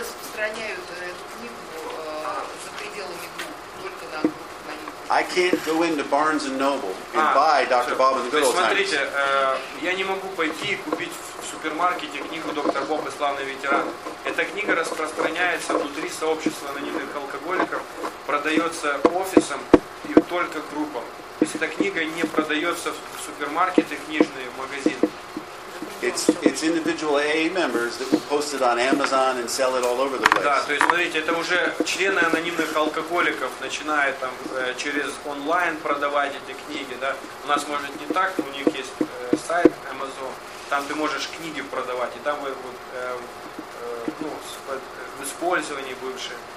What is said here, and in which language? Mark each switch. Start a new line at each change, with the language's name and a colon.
Russian: И распространяют эту книгу за пределами групп, только на
English: I can't go into Barnes and Noble and buy Dr. Bob and the Good Old Times.
Russian: Смотрите, я не могу пойти и купить в супермаркете книгу «Доктор Боб и славный ветеран». Эта книга распространяется внутри сообщества анонимных алкоголиков, продается офисом и только группам. То есть эта книга не продается в супермаркеты, книжные, в магазины.
English: It's individual AA members that will post it on Amazon and sell it all over the place.
Russian: Да, то есть смотрите, это уже члены анонимных алкоголиков начинают там через онлайн продавать эти книги, да? У нас может не так, у них есть сайт Amazon, там ты можешь книги продавать, и там вы вот в использовании бывшие.